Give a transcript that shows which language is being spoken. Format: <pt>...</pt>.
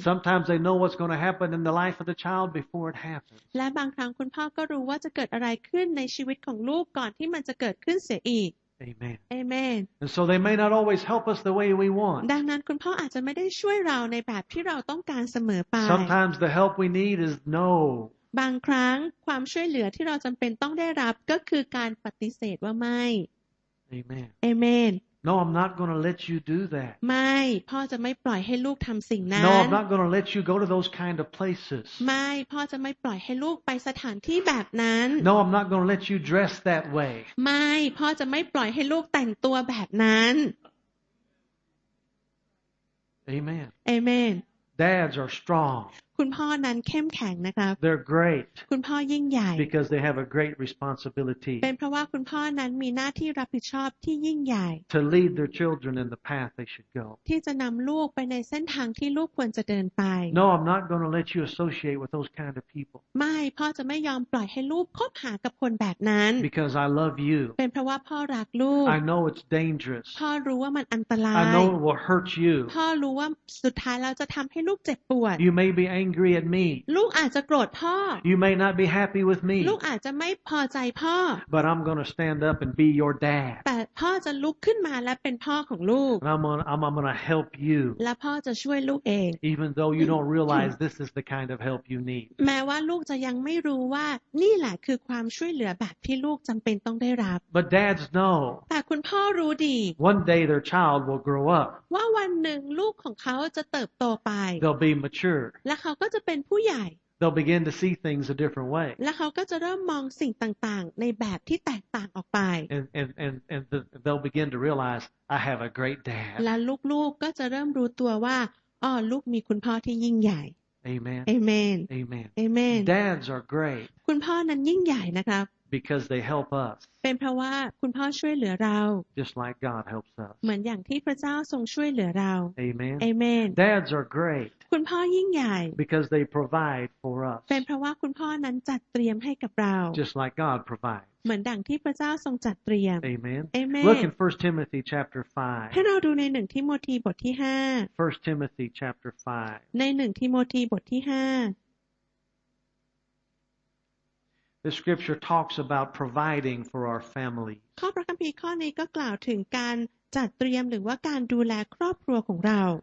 <en>Sometimes they know what's going to happen in the life of the child before it happens.</en> <th>และบางครั้งคุณพ่อก็รู้ว่าจะเกิดอะไรขึ้นในชีวิตของลูกก่อนที่มันจะเกิดขึ้นเสียอีก</th> <en>Amen. Amen. And so they may not always help us the way we want.</en> <th>ดังนั้นคุณพ่ออาจจะไม่ได้ช่วยเราในแบบที่เราต้องการเสมอไป</th> <en>Sometimes the help we need is no.</en> <th>บางครั้งความช่วยเหลือที่เราจำเป็นต้องได้รับก็คือการปฏิเสธว่าไม่</th> <en>Amen. Amen. No, I'm not going to let you do that.</en> <th>ไม่พ่อจะไม่ปล่อยให้ลูกทำสิ่งนั้น</th> <en>No, I'm not going to let you go to those kind of places.</en> <th>ไม่พ่อจะไม่ปล่อยให้ลูกไปสถานที่แบบนั้น</th> <en>No, I'm not going to let you dress that way.</en> <th>ไม่พ่อจะไม่ปล่อยให้ลูกแต่งตัวแบบนั้น</th> <en>Amen. Amen. Dads are strong.</en> <th>คุณพ่อนั้นเข้มแข็งนะครับ</th> <en>They're great.</en> <th>คุณพ่อยิ่งใหญ่</th> <en>Because they have a great responsibility.</en> <th>เป็นเพราะว่าคุณพ่อนั้นมีหน้าที่รับผิดชอบที่ยิ่งใหญ่</th> <en>To lead their children in the path they should go.</en> <th>ที่จะนำลูกไปในเส้นทางที่ลูกควรจะเดินไป</th> <en>No, I'm not going to let you associate with those kind of people.</en> <th>ไม่พ่อจะไม่ยอมปล่อยให้ลูกคบหากับคนแบบนั้น</th> <en>Because I love you.</en> <th>เป็นเพราะว่าพ่อรักลูก</th> <en>I know it's dangerous.</en> <th>พ่อรู้ว่ามันอันตราย</th> <en>I know it will hurt you.</en> <th>พ่อรู้ว่าสุดท้ายแล้วจะทำให้ลูกเจ็บปวด</th> <en>You may be angry at me.</en> <th>ลูกอาจจะโกรธพ่อ</th> <en>You may not be happy with me.</en> <th>ลูกอาจจะไม่พอใจพ่อ</th> <en>But I'm going to stand up and be your dad.</en> <th>แต่พ่อจะลุกขึ้นมาและเป็นพ่อของลูก</th> <en>I'm going to help you.</en> <th>และพ่อจะช่วยลูกเอง</th> <en>Even though you don't realize this is the kind of help you need.</en> <th>แม้ว่าลูกจะยังไม่รู้ว่านี่แหละคือความช่วยเหลือแบบที่ลูกจำเป็นต้องได้รับ</th> <en>But dads know.</en> <th>แต่คุณพ่อรู้ดี</th> <en>One day their child will grow up.</en> <th>ว่าวันหนึ่งลูกของเขาจะเติบโตไป</th> <en>They'll be mature.</en> <th>และเขาก็จะเป็นผู้ใหญ่</th> <en>They'll begin to see things a different way.</en> <th>และเขาก็จะเริ่มมองสิ่งต่างๆในแบบที่แตกต่างออกไป</th> <en>And they'll begin to realize I have a great dad.</en> <th>และลูกๆก็จะเริ่มรู้ตัวว่าอ๋อลูกมีคุณพ่อที่ยิ่งใหญ่</th> <en>Amen. Amen. Amen. Amen. Dads are great.</en> <th>คุณพ่อนั้นยิ่งใหญ่นะครับ</th> <en>Because they help us.</en> <th>เป็นเพราะว่าคุณพ่อช่วยเหลือเรา</th> <en>Just like God helps us.</en> <th>เหมือนอย่างที่พระเจ้าทรงช่วยเหลือเรา</th> <en>Amen. Amen. Dads are great.</en> <th>คุณพ่อยิ่งใหญ่</th> <en>Because they provide for us.</en> <th>เป็นเพราะว่าคุณพ่อนั้นจัดเตรียมให้กับเรา</th> <en>Just like God provides.</en> <th>เหมือนดังที่พระเจ้าทรงจัดเตรียม</th> <en>Amen. Amen. Look in 1 Timothy chapter 5.</en> <th>ให้เราดูใน1ทิโมธีบทที่5</th> <en>1 Timothy chapter 5.</en> <th>ใน1ทิโมธีบทที่5</th> <en>The scripture talks about providing for our family.</en> <th>ข้อพระคัมภีร์ข้อนี้ก็กล่าวถึงการจัดเตรียมหรือว่าการดูแลครอบครัวของเรา</th>